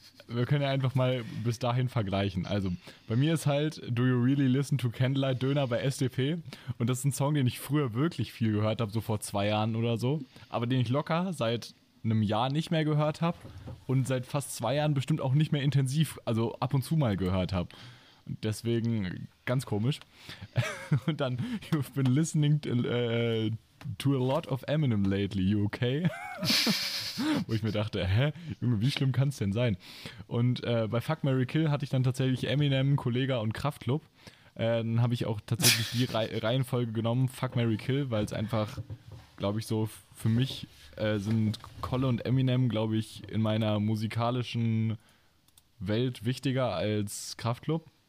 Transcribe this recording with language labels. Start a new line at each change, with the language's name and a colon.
German: Wir können ja einfach mal bis dahin vergleichen. Also, bei mir ist halt Do You Really Listen to Candlelight Döner bei SDP. Und das ist ein Song, den ich früher wirklich viel gehört habe, so vor 2 Jahren oder so. Aber den ich locker seit einem Jahr nicht mehr gehört habe. Und seit fast 2 Jahren bestimmt auch nicht mehr intensiv, also ab und zu mal gehört habe. Deswegen ganz komisch. Und dann,
English: you've been listening to a lot of Eminem lately, you okay?
German: Wo ich mir dachte, hä? Junge, wie schlimm kann es denn sein? Und bei Fuck, Mary, Kill hatte ich dann tatsächlich Eminem, Kollega und Kraftklub. Dann habe ich auch tatsächlich die Reihenfolge genommen, Fuck, Mary, Kill, weil es einfach, glaube ich, so für mich sind Kolle und Eminem, glaube ich, in meiner musikalischen Welt wichtiger als Kraftklub.